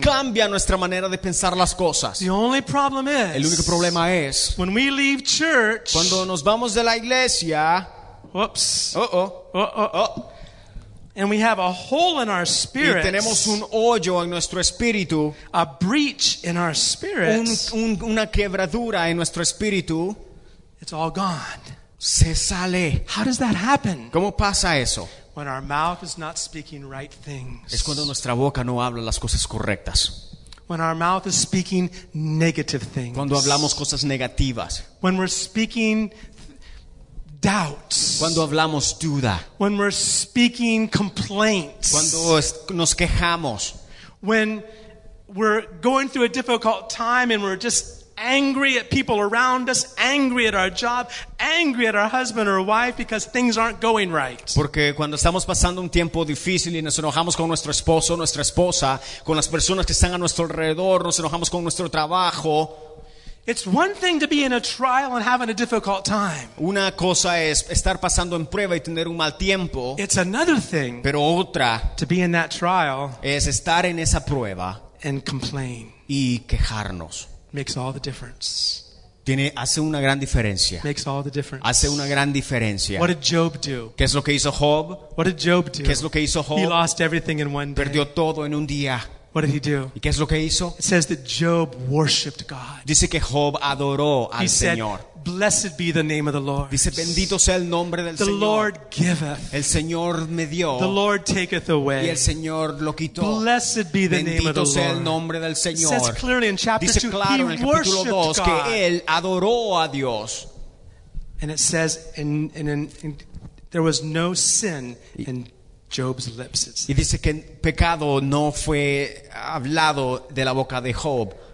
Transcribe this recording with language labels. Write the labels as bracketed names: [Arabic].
[Spanish] Cambia nuestra manera de pensar las cosas. [English] The only problem is. [Spanish] El único problema es. [English] When we leave church. [Spanish] Cuando nos vamos de la iglesia. Whoops. Oh. [English] And we have a hole in our spirit. [Spanish] Y tenemos un hoyo en nuestro espíritu. [English] A breach in our spirit. [Spanish] Una quebradura en nuestro espíritu. [English] It's all gone. [Spanish] Se sale. [English] How does that happen? [Spanish] ¿Cómo pasa eso? [English] When our mouth is not speaking right things. [Spanish] Es cuando nuestra boca no habla las cosas correctas. [English] When our mouth is speaking negative things. [Spanish] Cuando hablamos cosas negativas. [English] When we're speaking doubts. [Spanish] Cuando hablamos duda. [English] When we're speaking complaints. [Spanish] Cuando nos quejamos. [English] When we're going through a difficult time and we're just angry at people around us, angry at our job, angry at our husband or wife because things aren't going right. [Spanish] Porque cuando estamos pasando un tiempo difícil y nos enojamos con nuestro esposo, nuestra esposa, con las personas que están a nuestro alrededor, nos enojamos con nuestro trabajo. [English] It's one thing to be in a trial and having a difficult time. [Spanish] Una cosa es estar pasando en prueba y tener un mal tiempo. [English] It's another thing. [Spanish] Pero otra [English] to be in that trial [Spanish] es estar en esa prueba [English] and complain. [Spanish] Y quejarnos. [English] Makes all the difference. [Spanish] Hace una gran diferencia. [English] Makes all the difference. [Spanish] Hace una gran diferencia. [English] What did Job do? [Spanish] ¿Qué es lo que hizo Job? [English] What did Job do? [Spanish] ¿Qué es lo que hizo Job? [English] He lost everything in one day. [Spanish] Perdió todo en un día. [English] What did he do? [Spanish] ¿Y qué es lo que hizo? [English] It says that Job worshipped God. [Spanish] Dice que Job adoró al Señor. [English] He said, "Blessed be the name of the Lord." [Spanish] Dice, "Bendito sea el nombre del [English] the [Spanish] Señor." [English] The Lord giveth. [Spanish] El Señor me dio. [English] The Lord taketh away. [Spanish] Y el Señor lo quitó. [English] Blessed be the [Spanish] Bendito [English] name of the Lord. [Spanish] Bendito sea el nombre del Señor. [English] It says clearly in chapter [Spanish] Dice [English] 2, [Spanish] claro [English] he worshipped God. [Spanish] Que él adoró a Dios. [English] And it says, and there was no sin in Job's lips. [Spanish] Y dice que pecado no fue hablado de la boca de Job.